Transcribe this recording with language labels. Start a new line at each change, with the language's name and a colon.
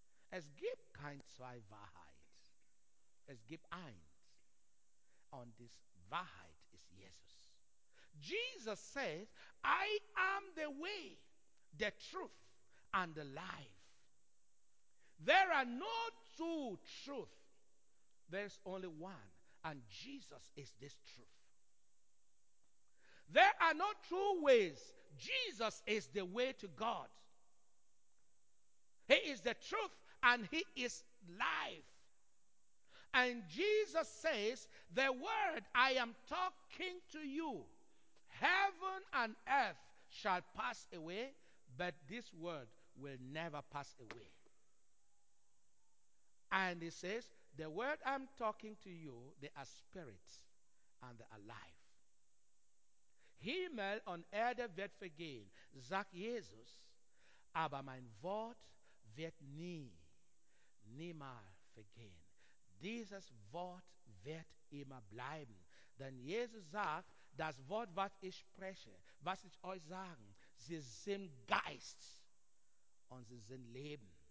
German: Es gibt kein zwei Wahrheiten, es gibt eins und das Wahrheit ist Jesus.
English: Jesus says, I am the way, the truth and the life. There are no two truth. There's only one. And Jesus is this truth. There are no two ways. Jesus is the way to God. He is the truth and he is life. And Jesus says, the word I am talking to you, heaven and earth shall pass away, but this word will never pass away. And he says, the word I'm talking to you, they are spirits and they are life.
German: Himmel und Erde wird vergehen, sagt Jesus, aber mein Wort wird niemals vergehen. Dieses Wort wird immer bleiben. Denn Jesus sagt, das Wort, was ich spreche, was ich euch sage, sie sind Geist und sie sind Leben.